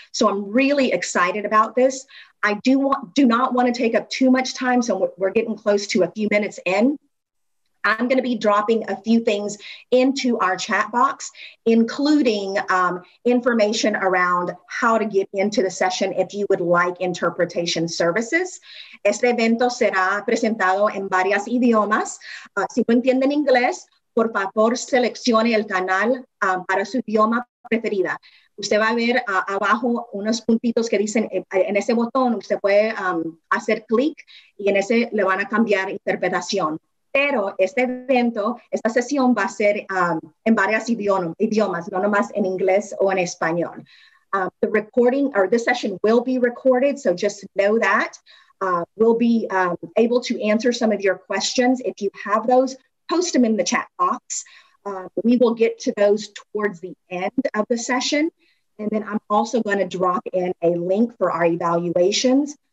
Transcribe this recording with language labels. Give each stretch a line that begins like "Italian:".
English: So I'm really excited about this. I do not want to take up too much time, so we're getting close to a few minutes in. I'm going to be dropping a few things into our chat box, including information around how to get into the session if you would like interpretation services.
Spanish: Este evento será presentado en varios idiomas. Si no entienden inglés, por favor, seleccione el canal para su idioma preferida. Usted va a ver abajo unos puntitos que dicen en ese botón, usted puede hacer clic y en ese le van a cambiar interpretación. Pero este evento, esta sesión va a ser en varios idiomas, no nomás en inglés o en español.
English: The recording or the session will be recorded, so just know that. We'll be able to answer some of your questions. If you have those, post them in the chat box. We will get to those towards the end of the session. And then I'm also going to drop in a link for our evaluations.